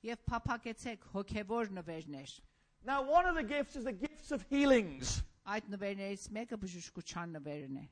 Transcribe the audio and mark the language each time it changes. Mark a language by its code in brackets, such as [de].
[hy] Եվ փափակեցեք հոգևոր նվերներ. [en] Now one of the gifts is the gifts of healings. [hy] Այդ նվերներից մեկը բժշկության նվերն է.